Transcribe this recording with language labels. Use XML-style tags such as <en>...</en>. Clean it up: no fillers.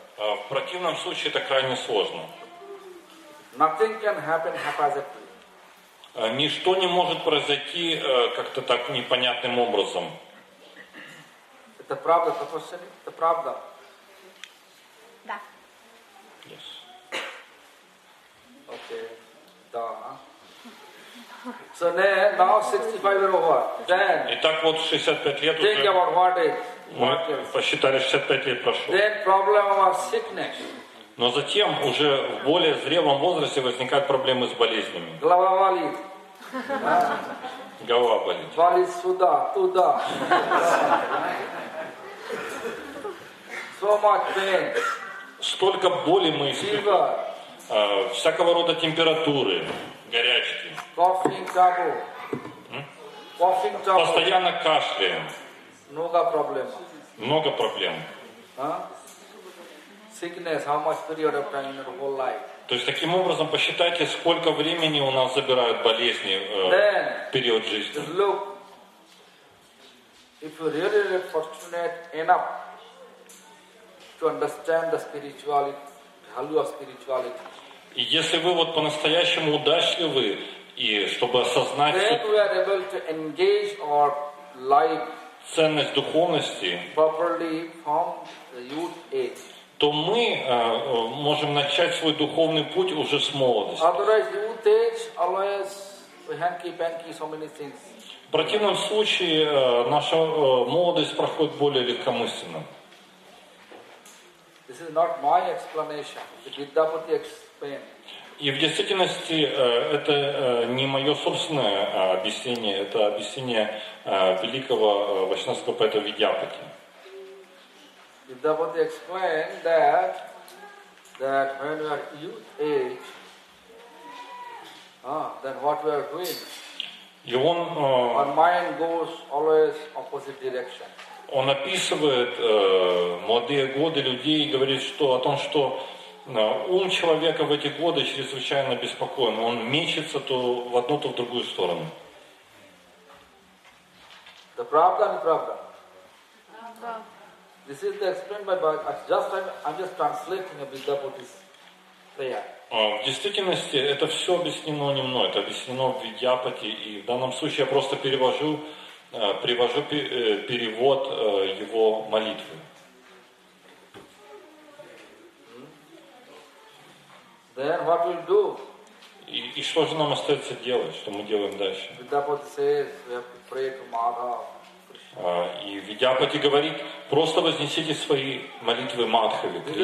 <ru>В противном случае это крайне сложно.</ru> <en>Nothing can happen haphazardly.</en> <ru>Ничто не может произойти как-то так непонятным образом. Это правда, профессор? Это правда? Да.</ru> <en>Yes. Okay.</en> <ru>Да.</ru> <en>So now 65 years old. Then.</en> <ru>Итак, вот 65 лет уже.</ru> <en>Think about what is.</en> <ru>Мы посчитали, 65 лет прошло.</ru> <en>Then problem of sickness.</en> <ru>Но затем уже в более зрелом возрасте возникают проблемы с болезнями. Голова болит. Голова болит. Болит сюда, туда.</ru> <en>So much pain.</en> <ru>Столько боли мы испытываем. Всякого рода температуры, горячки.</ru> <en>Coughing trouble. Coughing trouble.</en> <ru>Постоянно кашляем. Много проблем. Много проблем.</ru> <en>Sickness, how much period of time in your whole life?</en> <ru>То есть таким образом посчитайте, сколько времени у нас забирают болезни в период жизни.</ru> <en>Then, look, if you really fortunate enough to understand the spirituality, value of spirituality.</en> <ru>И если вы вот по-настоящему удачливы и чтобы осознать,</ru> <en>then we are able to engage our life</en> <ru>ценность духовности</ru> <en>properly from the youth age.</en> <ru>То мы можем начать свой духовный путь уже с молодости.</ru> <en>Otherwise, youth age always hanky-panky so many things.</en> <ru>В противном случае наша молодость проходит более легкомысленно.</ru> <en>This is not my explanation. The Vidyapati explained.</en> <ru>И в действительности это не мое собственное объяснение, это объяснение великого вайшнавского поэта Видьяпати.</ru> <en>Vidyapati explained that when we are youth age, then what we are doing? Our mind goes always opposite direction.</en> <ru>Он описывает молодые годы людей и говорит, что о том, что ум человека в эти годы чрезвычайно беспокоен. Он мечется то в одну, то в другую сторону.</ru> <en>The problem, problem.</en> <ru>Правда.</ru> <en>This is the explained by just I'm just translating a Vidyapati's prayer.</en> <ru>В действительности это все объяснено не мной, это объяснено в Видьяпати, и в данном случае я просто привожу перевод его молитвы.</ru> <en>Then what we'll do?</en> <ru>И что же нам остается делать? Что мы делаем дальше?</ru> <en>Vidyapati says we have to pray to Madhava.</en> <ru>И Видьяпати говорит, просто вознесите свои молитвы Мадхаве.</ru>